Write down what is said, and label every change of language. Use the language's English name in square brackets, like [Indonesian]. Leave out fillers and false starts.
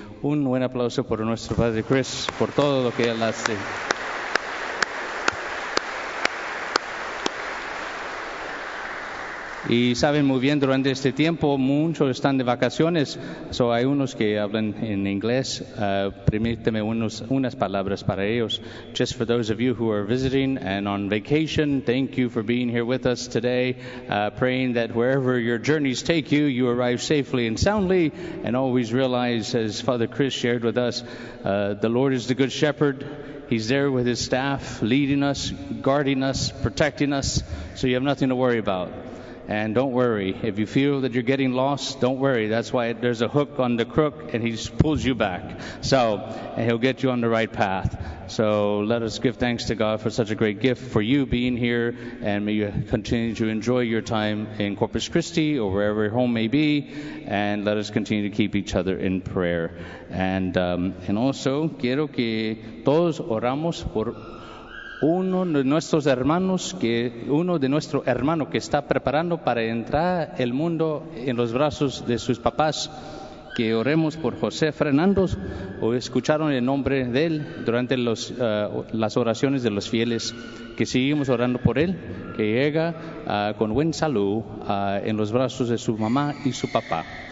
[Spanish] Un buen aplauso por nuestro padre Chris, por todo lo que él hace. Y saben muy bien, durante este tiempo muchos están de vacaciones, so hay unos que hablan en inglés. Permíteme unas palabras para ellos. [English] Just for those of you who are visiting and on vacation, thank you for being here with us today, praying that wherever your journeys take you, you arrive safely and soundly, and always realize, as Father Chris shared with us, the Lord is the good shepherd. He's there with his staff, leading us, guarding us, protecting us, so you have nothing to worry about. And don't worry, if you feel that you're getting lost, don't worry. That's why there's a hook on the crook, and he just pulls you back. So, and he'll get you on the right path. So let us give thanks to God for such a great gift, for you being here, and may you continue to enjoy your time in Corpus Christi or wherever your home may be, and let us continue to keep each other in prayer. [Spanish] And also, quiero que todos oramos por uno de nuestros hermanos que está preparando para entrar el mundo en los brazos de sus papás, que oremos por José Fernando, o escucharon el nombre de él durante las oraciones de los fieles, que seguimos orando por él, que llega con buen salud en los brazos de su mamá y su papá.